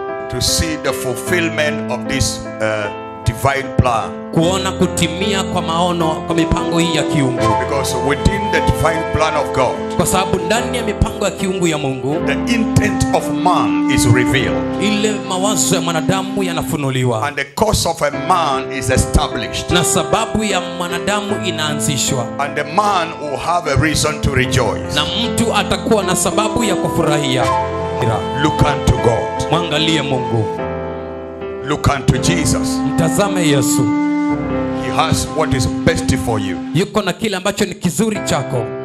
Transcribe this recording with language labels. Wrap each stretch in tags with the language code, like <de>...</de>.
<en>to see the fulfillment of this divine plan.</en> <sw>Kuona kutimia kwa maono kwa mipango hii ya kiungu.</sw> <en>Because within the divine plan of God,</en> <sw>kwa sababu ndani ya mipango ya kiungu ya Mungu,</sw> <en>the intent of man is revealed.</en> <sw>Ile mawazo ya mwanadamu yanafunuliwa.</sw> <en>And the cause of a man is established.</en> <sw>Na sababu ya mwanadamu inaanzishwa.</sw> <en>And the man will have a reason to rejoice.</en> <sw>Na mtu atakuwa na sababu ya kufurahia.</sw> <en>Look unto God.</en> <sw>Mwangalie Mungu.</sw> <en>Look unto Jesus.</en> <sw>Mtazame Yesu.</sw> <en>He has what is best for you.</en> <sw>Yuko na kile ambacho ni kizuri chako.</sw>